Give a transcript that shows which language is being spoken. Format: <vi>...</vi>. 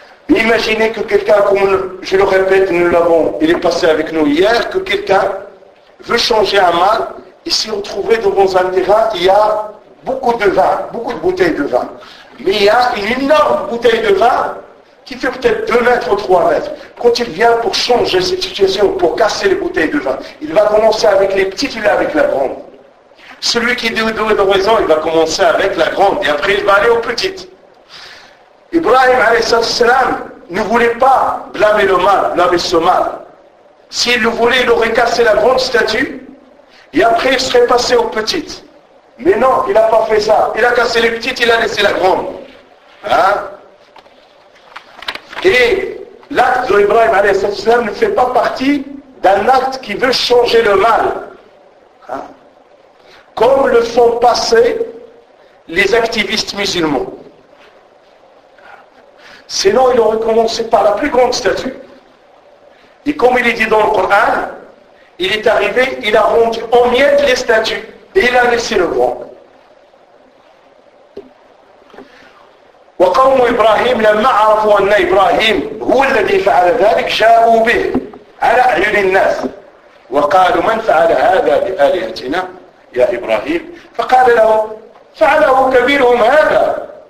<fr>imaginez que quelqu'un comme je le répète nous l'avons il est passé avec nous hier que quelqu'un veut changer un mal et s'y retrouver devant un terrain il y a beaucoup de vin beaucoup de bouteilles de vin mais il y a une énorme bouteille de vin qui fait peut-être 2 mètres ou 3 mètres. Quand il vient pour changer cette situation, pour casser les bouteilles de vin, il va commencer avec les petites, il est avec la grande. Celui qui est doué de raison, il va commencer avec la grande et après il va aller aux petites. Ibrahim alayhissalam ne voulait pas blâmer le mal, blâmer ce mal. S'il le voulait, il aurait cassé la grande statue et après il serait passé aux petites. Mais non, il n'a pas fait ça. Il a cassé les petites, il a laissé la grande. Et l'acte de Ibrahim alayhissalam ne fait pas partie d'un acte qui veut changer le mal. Comme le font passer les activistes musulmans. Sinon, il aurait commencé par la plus grande statue. Et comme il est dit dans le Coran, il est arrivé, il a rendu en miettes les statues. Et il a laissé le grand.</fr> <ar>وقوم إبراهيم لما عرفوا أن إبراهيم هو الذي فعل ذلك جاءوا به على أعين الناس وقالوا من فعل هذا بآلهتنا يا إبراهيم فقال لهم فعله كبيرهم هذا</ar>